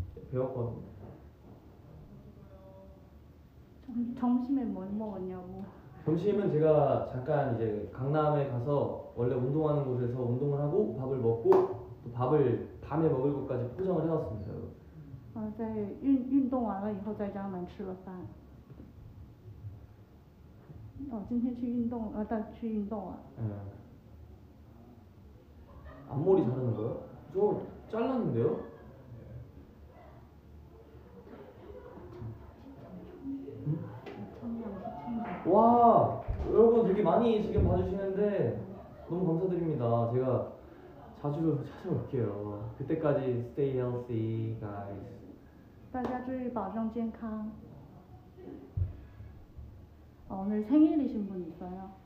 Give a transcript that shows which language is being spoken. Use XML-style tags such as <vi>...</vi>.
<ko>배웠거든. 점심에 뭐 먹었냐고. 점심은 제가 잠깐 이제 강남에 가서 원래 운동하는 곳에서 운동을 하고 밥을 먹고 또 밥을 밤에 먹을 것까지 포장을 해왔습니다. 아, 이제</ko> <zh>운동完了以后 在江南吃了饭. 今天去运动啊去运动啊</zh> <ko>앞머리 자르는 거요? 저 잘랐는데요? 와, 여러분 되게 많이 지금 봐주시는데 너무 감사드립니다. 제가 자주 찾아올게요. 그때까지</ko> <en>stay healthy, guys.</en> <zh>大家注意保重健康.</zh> <ko>오늘 생일이신 분 있어요?</ko>